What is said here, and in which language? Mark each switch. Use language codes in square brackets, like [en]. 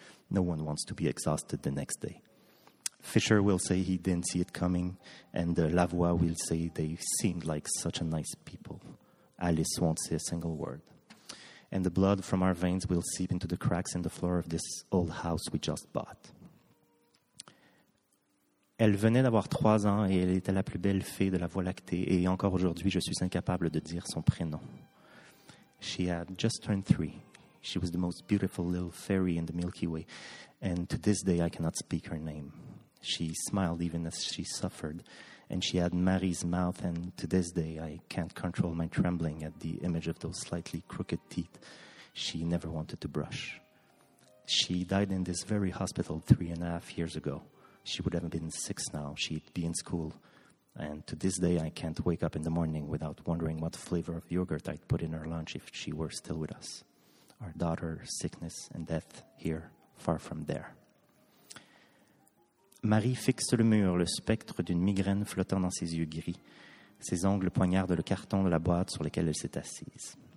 [en] No one wants to be exhausted the next day. Fisher will say he didn't see it coming, and Lavoie will say they seemed like such a nice people. Alice won't say a single word. And the blood from our veins will seep into the cracks in the floor of this old house we just bought. [fr] Elle venait d'avoir 3 ans et elle était la plus belle fée de la Voie lactée, et encore aujourd'hui, je suis incapable de dire son prénom. [en] She had just turned 3. She was the most beautiful little fairy in the Milky Way, and to this day, I cannot speak her name. She smiled even as she suffered, and she had Marie's mouth, and to this day, I can't control my trembling at the image of those slightly crooked teeth she never wanted to brush. She died in this very hospital 3.5 years ago. She would have been 6 now. She'd be in school. And to this day, I can't wake up in the morning without wondering what flavor of yogurt I'd put in her lunch if she were still with us. Our daughter, sickness and death here, far from there. [fr] Marie fixe le mur, le spectre d'une migraine flottant dans ses yeux gris. Ses ongles poignardent le carton de la boîte sur lequel elle s'est assise.